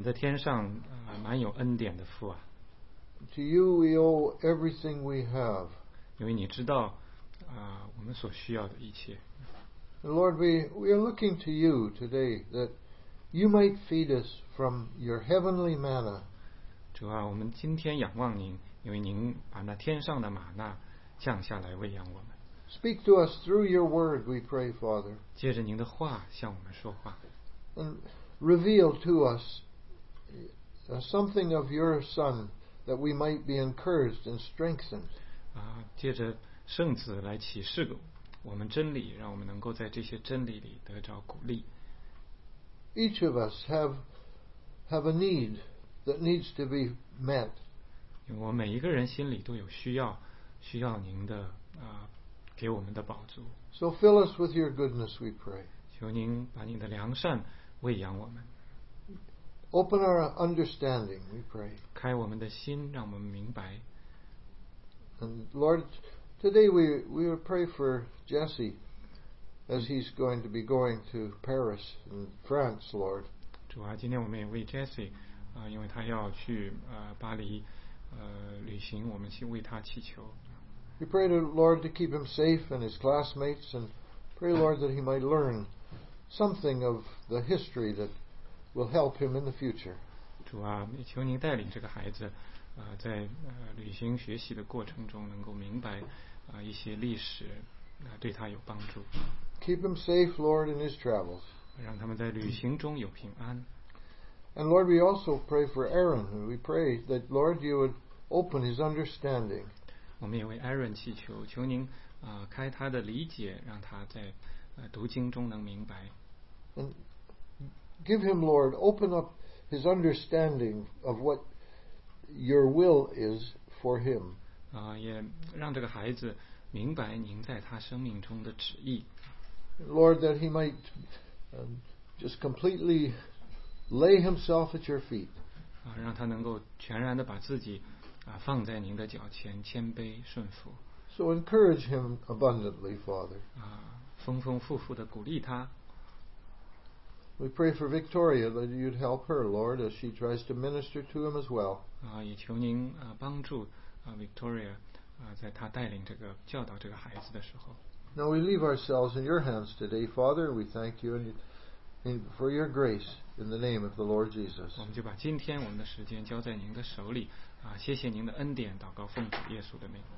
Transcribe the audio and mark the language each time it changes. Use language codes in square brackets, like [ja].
[zh] 的天上、蛮有恩典的父啊。 [en] To you we owe everything we have. [zh] 因为你知道、我们所需要的一切。 [en] Lord, we are looking to you today that you might feed us from your heavenly manna. [zh] 主啊，我们今天仰望您，因为您把那天上的玛纳降下来喂养我们。 [en] Speak to us through your word, we pray, Father. [zh] 借着您的话向我们说话。 [en] And reveal to us something of your Son that we might be encouraged and strengthened. [zh] 借着圣子来启示我们真理，让我们能够在这些真理里得着鼓励。 [en] Each of us have a need that needs to be met. [zh] 因为我每一个人心里都有需要，需要您的给我们的宝足。 [en] So fill us with your goodness, we pray. [zh] 求您把您的良善喂养我们。 [en] Open our understanding, we pray. [zh] 开我们的心，让我们明白。 [en] And Lord, today we will pray for Jesse as he's going to be going to Paris in France, Lord. [zh] 主啊，今天我们也为 Jesse 因为他要去巴黎旅行，我们为他祈求。 [en] We pray to Lord to keep him safe and his classmates, and pray Lord that he might learn something of the history that will help him in the future. [zh] 主啊，也求您带领这个孩子，在旅行学习的过程中能够明白一些历史，对他有帮助。 [en] Keep him safe, Lord, in his travels. [zh] 让他们在旅行中有平安。 [en] And Lord, we also pray for Aaron. We pray that Lord you would open his understanding. [zh] 我们也为 Aaron 祈求，求您开他的理解，让他在读经中能明白。 [en] And give him, Lord, open up his understanding of what your will is for him. [zh] 也让这个孩子明白您在他生命中的旨意。 [en] Lord, that he might just completely lay himself at your feet. [zh] 让他能够全然的把自己。放在您的脚前，谦卑顺服。 [en] So encourage him abundantly, Father. [zh] 丰丰富富的鼓励他。 [en] We pray for Victoria that you'd help her, Lord, as she tries to minister to him as well. [zh] 也求您帮助Victoria, 在她带领这个教导这个孩子的时候。 [en] Now we leave ourselves in your hands today, Father. We thank you for your grace in the name of the Lord Jesus. [zh] 我们就把今天我们的时间交在您的手里。谢谢您的恩典，祷告奉主耶稣的名。